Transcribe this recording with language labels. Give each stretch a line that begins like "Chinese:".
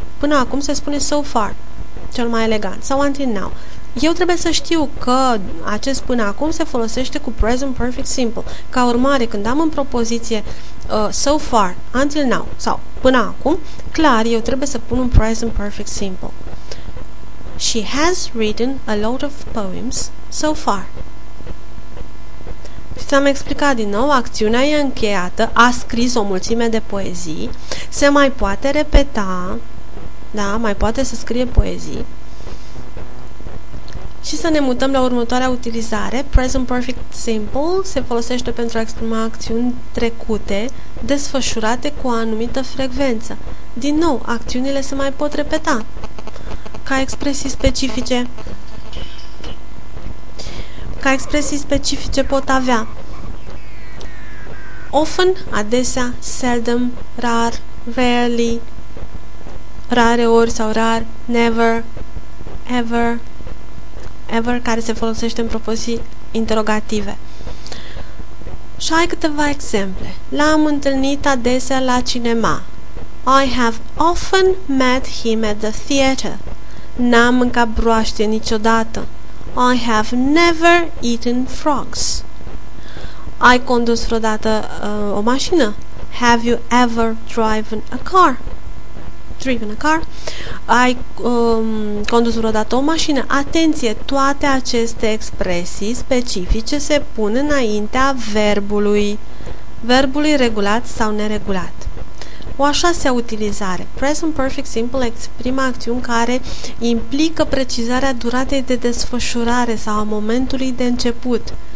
Romanian: Până acum se spune so far, cel mai elegant, sau until now. Eu trebuie să știu că acest până acum se folosește cu present perfect simple. Ca urmare, când am în propoziție so far, until now, sau până acum, clar, eu trebuie să pun un present perfect simple.
English: She has written a lot of poems so far.
Romanian: Și ți-am explicat din nou, acțiunea e încheiată, a scris o mulțime de poezii, se mai poate repeta, da, mai poate să scrie poezii. Și să ne mutăm la următoarea utilizare. Present perfect simple se folosește pentru a exprima acțiuni trecute, desfășurate cu o anumită frecvență. Din nou, acțiunile se mai pot repeta ca expresii specifice. Ca expresii specifice pot avea often, adesea, seldom, rar, rarely, rare ori sau rar, never, ever, ever, care se folosește în propoziții interrogative. Și ai câteva exemple. L-am întâlnit adesea la cinema.
English: I have often met him at the theater.
Romanian: N-am mâncat broaște niciodată.
English: I have never eaten frogs.
Romanian: Ai condus vreodată o mașină?
English: Have you ever driven a car?
Romanian: Ai condus vreodată o mașină? Atenție! Toate aceste expresii specifice se pun înaintea verbului regulat sau neregulat. O a șasea utilizare. Present perfect simple exprimă acțiuni care implică precizarea duratei de desfășurare sau a momentului de început.